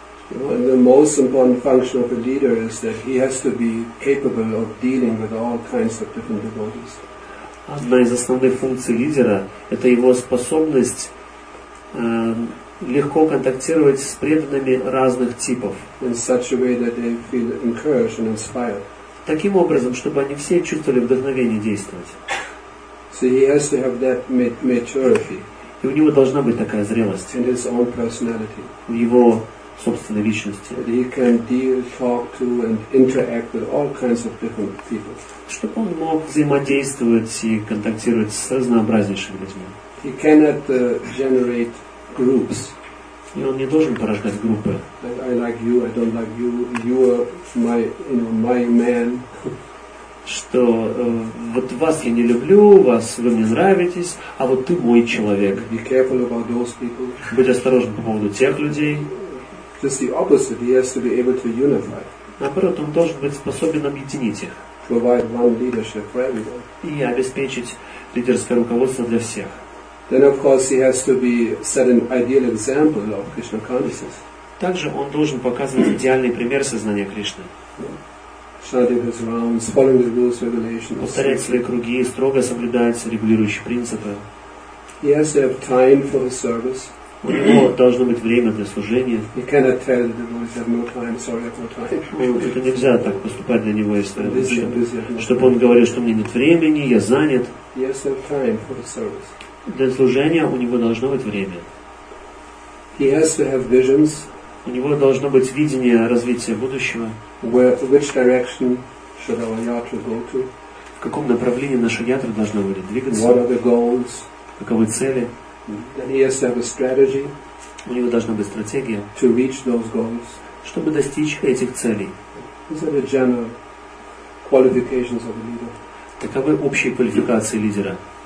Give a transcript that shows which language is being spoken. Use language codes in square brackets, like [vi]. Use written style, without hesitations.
[en] Well, the most important function of a leader is that he has to be capable of dealing with all kinds of different devotees. [ru] Одна из основных функций лидера – это его способность легко контактировать с преданными разных типов. [en] In such a way that they feel encouraged and inspired. [ru] Таким образом, чтобы они все чувствовали вдохновение действовать. [en] So he has to have that maturity. [ru] И у него должна быть такая зрелость. [en] In his own personality. [ru] В его собственной личности. [en] That he can deal, talk to and interact with all kinds of different people. [ru] Чтобы он мог взаимодействовать и контактировать с разнообразнейшими людьми. [en] He cannot generate groups. [ru] И он не должен порождать группы. [en] I like you, I don't like you. You are my, my man. [ru] Что вот вас я не люблю, вас вы мне нравитесь, а вот ты мой человек. [en] Be careful about those people. [ru] Будь осторожен по поводу тех людей. [en] Just the opposite. He has to be able to unify. [ru] Наоборот, он должен быть способен объединить их. [en] Provide one leadership for everyone. [ru] И обеспечить лидерское руководство для всех. [en] Then of course he has to be set an ideal example of Krishna consciousness. [ru] Также он должен показывать идеальный пример сознания Кришны. [en] Chanting his rounds, following the rules, regulations. [ru] Повторять свои круги, строго соблюдать регулирующие принципы. [en] He has to have time for his service. [ru] У него должно быть время для служения. [en] You cannot tell the devotee no time, sorry, no time. [ru] Ну, это нельзя так поступать для него, если чтобы он говорил, что у меня нет времени, я занят. [en] Yes, no time for the service. [ru] Для служения у него должно быть время. [en] He has to have visions. [ru] У него должно быть видение развития будущего. [en] Where, which direction should our yatra go to? [ru] В каком направлении наша ятра должна будет двигаться? [en] What are the goals? [ru] Каковы цели? [en] Then he has to have a strategy. [ru] У него должна быть стратегия. [en] To reach those goals. [ru] Чтобы достичь этих целей. [en] These are the general qualifications of the leader. [ru] Таковы общие квалификации лидера.